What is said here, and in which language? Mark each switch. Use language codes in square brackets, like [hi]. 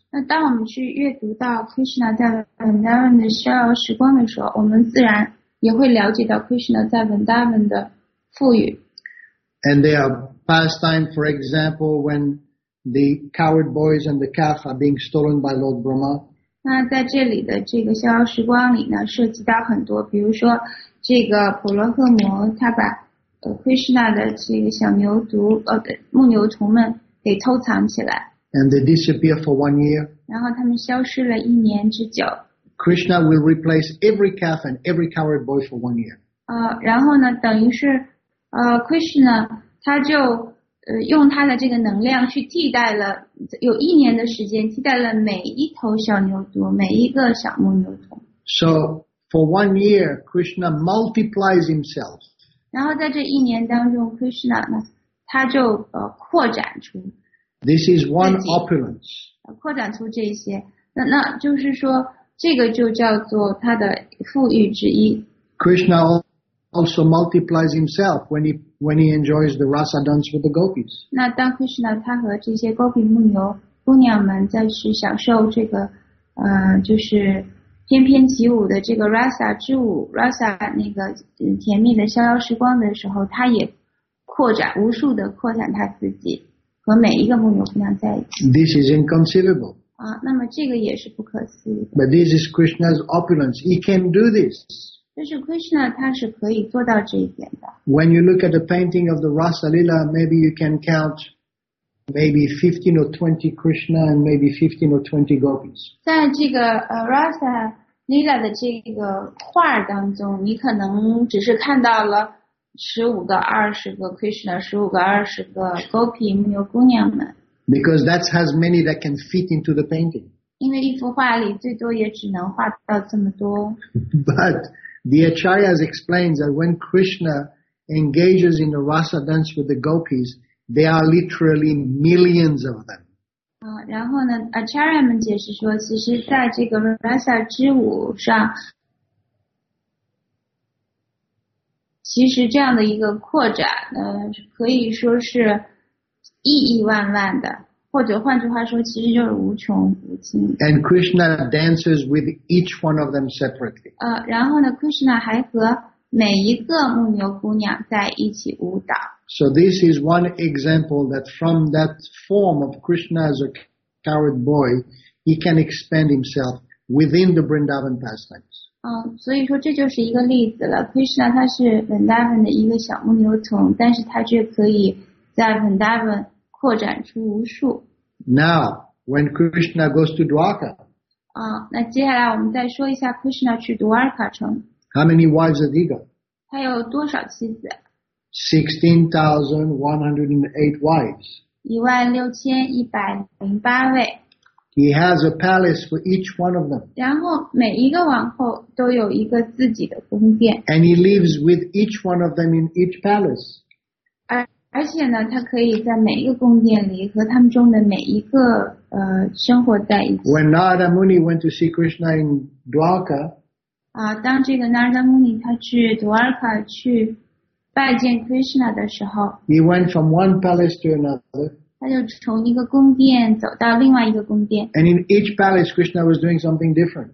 [zh] 那当我们去阅读到 Krishna 在 Vrindavan 的逍遥时光的时候，我们自然也会了解到 Krishna 在 Vrindavan 的富裕。 [en] And they are pastime, for example, when the coward boys and the calf are being stolen by Lord Brahma. [zh] 那在这里的这个逍遥时光里呢，涉及到很多，比如说这个婆罗赫摩他把Krishna 的这个小牛犊牧牛童们给偷藏起来。 [en] And they disappear for 1 year. [zh] 然后他们消失了一年之久。 [en] Krishna will replace every calf and every coward boy for 1 year. [zh] 然后呢，等于是Krishna 他就用他的这个能量去替代了有一年的时间，替代了每一头小牛犊，每一个小牧牛童。 [en] So for 1 year, Krishna multiplies himself. [zh] 然后在这一年当中 ，Krishna 呢，他就扩展出。 [en] This is one opulence. [zh] 扩展出这些，那就是说，这个就叫做他的富裕之一。 [en] Krishna also multiplies himself when he enjoys the rasa dance with the gopis. [zh] 那当 Krishna 他和这些 gopi 牧牛姑娘们在去享受这个就是翩翩起舞的这个 rasa 之舞 rasa 那个甜蜜的逍遥时光的时候，他也扩展无数的扩展他自己和每一个牧牛姑娘在一起。 [en] This is inconceivable. [zh] 那么这个也是不可思议。 [en] But this is Krishna's opulence. He can do this. [zh] 就是 Krishna 他是可以做到这一点的。 [en] When you look at the painting of the Rasa Lila, maybe you can count maybe 15 or 20 Krishna and maybe 15 or 20 gopis. [zh] 在这个Rasa Lila 的这个画当中，你可能只是看到了15个20个 Krishna, 15个20个 gopi, 牧牛姑娘们。 [en] Because that's as many that can fit into the painting. [zh] 因为一幅画里最多也只能画到这么多。 [en] But,The Acharyas explains that when Krishna engages in the rasa dance with the gopis, there are literally millions of them. [zh] 然后呢 ，Acharam 解释说，其实在这个 Rasa 之舞上，其实这样的一个扩展，可以说是亿亿万万的，或者换句话说，其实就是无穷无尽。 [en] And Krishna dances with each one of them separately. [zh] 然后呢 ，Krishna 还和每一个牧牛姑娘在一起舞蹈。 [en] So this is one example that from that form of Krishna as a coward boy, he can expand himself within the Vrindavan pastimes. [zh] 所以说这就是一个例子了。 Krishna 他是 Vrindavan 的一个小牧牛童，但是他却可以在 Vrindavan 扩展出无数。 [en] Now, when Krishna goes to Dwarka. [zh] 那接下来我们再说一下 Krishna 去 Dwarka 城。 [en] How many wives did he got? [zh] 他有多少妻子？ [en] 16,108 wives. [zh] 16,108 [en] He has a palace for each one of them. [zh] 然后每一个王后都有一个自己的宫殿。 [en] And he lives with each one of them in each palace. [zh] 而且呢，他可以在每一个宫殿里和他们中的每一个生活在一起。 [en] When Narada Muni went to see Krishna in Dwarka. [zh] 当这个 Narada Muni 他去 Dwarka 去。拜见 Krishna 的时候 [en] ，He went from one palace to another. [zh] 他就从一个宫殿走到另外一个宫殿。 [en] And in each palace, Krishna was doing something different.